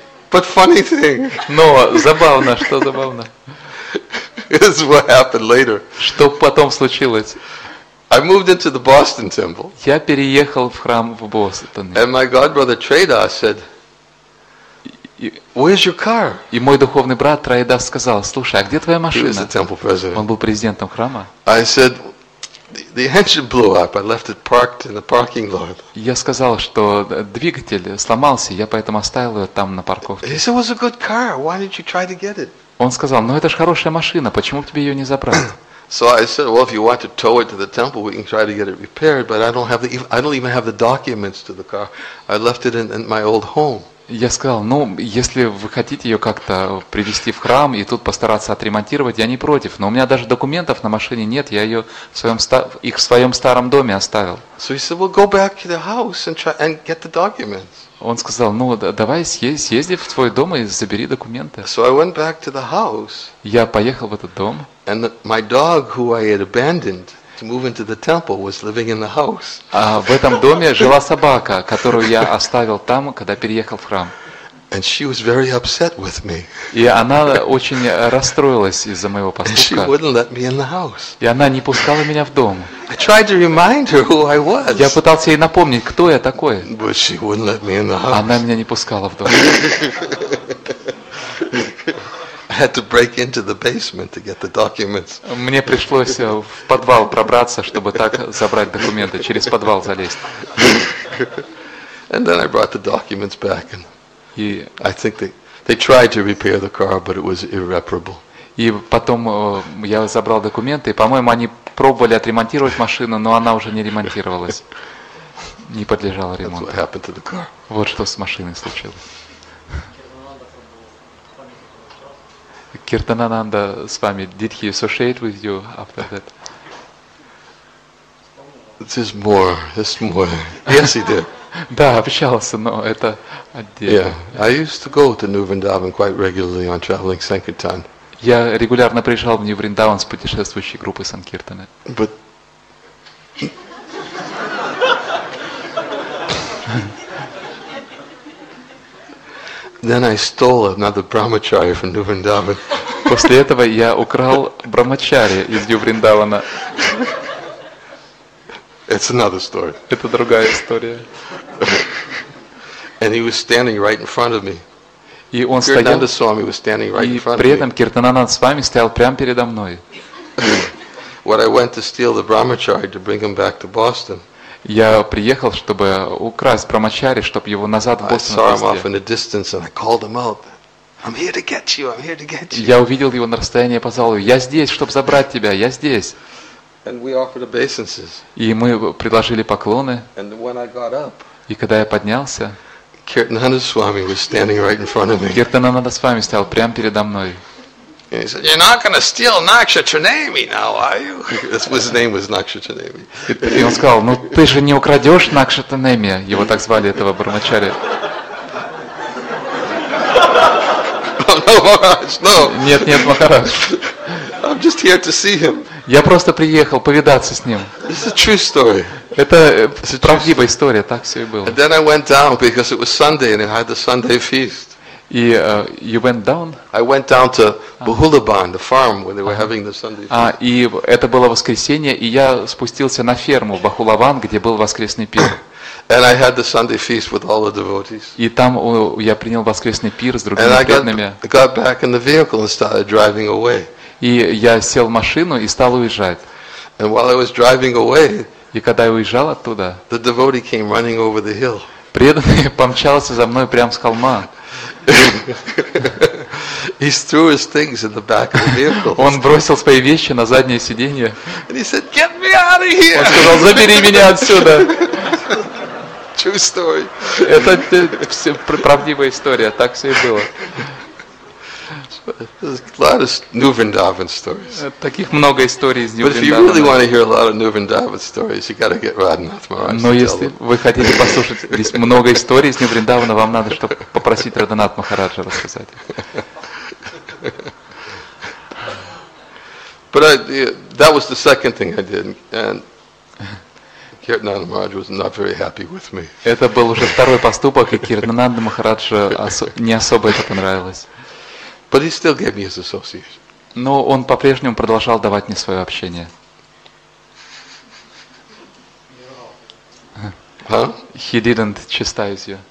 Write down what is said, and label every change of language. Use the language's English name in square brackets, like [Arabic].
[English] But funny thing. [Russian] Но забавно, что забавно. [English] Is what happened later. [Russian] Что потом случилось? [English] I moved into the Boston Temple. [Russian] Я переехал в храм в Бостоне. [English] And my godbrother Trader said, "Where's your car?" [Russian] И мой духовный брат Трейдас сказал: "Слушай, а где твоя машина?" [English] He was the temple president. [Russian] Он был президентом храма. [English] I said, "The engine blew up. I left it parked in the parking lot." [Russian] Я сказал, что двигатель сломался, я поэтому оставил его там на парковке. [English] He said, "It was a good car. Why didn't you try to get it?" [Russian] Он сказал: "Ну это ж хорошая машина, почему тебе ее не забрать?" [English] So I said, "Well, if you want to tow it to the temple, we can try to get it repaired, but I don't even have the documents to the car. I left it in my old home." [Russian] Я сказал: "Ну, если вы хотите ее как-то привезти в храм и тут постараться отремонтировать, я не против. Но у меня даже документов на машине нет, я ее в своем их в своем старом доме оставил." [English] So he said, "Well, go back to the house and try and get the documents." [Russian] Он сказал: "Ну, давай съезди в твой дом и забери документы." [English] So I went back to the house. [Russian] Я поехал в этот дом. [English] And my dog, who I had abandoned to move into the temple, was living in the house. [Russian] А в этом доме жила собака, которую я оставил там, когда переехал в храм. [English] And she was very upset with me. [Russian] И она очень расстроилась из-за моего поступка. [English] And she wouldn't let me in the house. [Russian] И она не пускала меня в дом. [English] I tried to remind her who I was. [Russian] Я пытался ей напомнить, кто я такой. [English] But she wouldn't let me in the house. [Russian] Она меня не пускала в дом. [English] I had to break into the basement to get the documents. [Russian] Мне пришлось в подвал пробраться, чтобы так забрать документы, через подвал залезть. [English] And then I brought the documents back, and I think they tried to repair the car, but it was irreparable. [Russian] И потом я забрал документы, и, по-моему, они пробовали отремонтировать машину, но она уже не ремонтировалась, не подлежала ремонту. [English] That's what happened to the car. [Russian] Вот что с машиной случилось. Киртанананда с вами. [English] Did he associate with you after that? This more. Yes, he did. [Russian] Да, общался, но это отдельно. [English] Yeah, I used to go to New Vrindavan quite regularly on traveling sankirtan. [Russian] Я регулярно приезжал в New Vrindavan с путешествующей группой санкиртаны. [English] But then I stole another brahmachari from New Vrindavan. [Russian] После этого я украл брахмачари из Нью Вриндавана. [English] It's another story. [Russian] Это другая история. [English] And he was standing right in front of me. [Russian] И он стоял. [English] Kirtananda Swami was standing right in front of me. [Russian] И при этом Киртанананд Свами стоял прямо передо мной. [English] When I went to steal the brahmachari to bring him back to Boston. [Russian] Я приехал, чтобы украсть брахмачари, чтобы его назад в Бостон. [English] I saw him off in the distance and I called him out. I'm here to get you. I'm here to get you. [Russian] Я увидел его на расстоянии, позвал его: "Я здесь, чтобы забрать тебя. Я здесь." [English] And we offered obeisances. [Russian] И мы предложили поклоны. [English] And when I got up, [Russian] и когда я поднялся, [English] Kirtananda Swami was standing right in front of me. [Russian] Kirtananda Swami стоял прямо передо мной. [English] And he said, "You're not going to steal Nakshatranami now, are you?" His name was Nakshatranami. [Russian] И он сказал: "Ну ты же не украдешь Nakshatranami." Его так звали, этого брахмачари. [English] No, Maharaj, no. [Russian] Нет, нет, Махарадж. [English] I'm just here to see him. [Russian] Я просто приехал повидаться с ним. [English] This is a true story. [Russian] Это правдивая история, так все и было. [English] And then I went down because it was Sunday and I had the Sunday feast. И you went down? I went down to Bahulaban, the farm where they were having the Sunday feast. [Russian] А и это было воскресенье, и я спустился на ферму Бахулаван, где был воскресный пир. [English] And I had the Sunday feast with all the devotees. [Russian] И там я принял воскресный пир с другими преданными. [English] And I got back in the vehicle and started driving away. [Russian] И я сел в машину и стал уезжать. [English] And while I was driving away, [Russian] и когда я уезжал оттуда, [English] the devotee came running over the hill. [Russian] Преданный помчался за мной прямо с холма. [English] He threw his things in the back of the vehicle. [Russian] Он бросил свои вещи на заднее сиденье. [English] And he said, "Get me out of here!" [Russian] Он сказал: "Забери меня отсюда!" [English] true story. [Russian] Это правдивая история, так все и было. [English] There's a lot of New Vrindavan stories. [Russian] Таких много историй из New [English] Vrindavan. But if you really want to hear a lot of New Vrindavan stories, you got to get Radhanath Maharaj. [Russian] Но если вы хотите послушать здесь много историй из New Vrindavan, вам надо, чтобы попросить Радханат Махараджа рассказать. [English] But that was the second thing I did, and Kirtanand Maharaj was not very happy with me. [Russian] Это был уже второй поступок, и Кирнананда Махараджа не особо это понравилось. [English] But he still gave me his association. [Russian] Но он по-прежнему продолжал давать мне свое общение. Huh? [English] He didn't chastise you.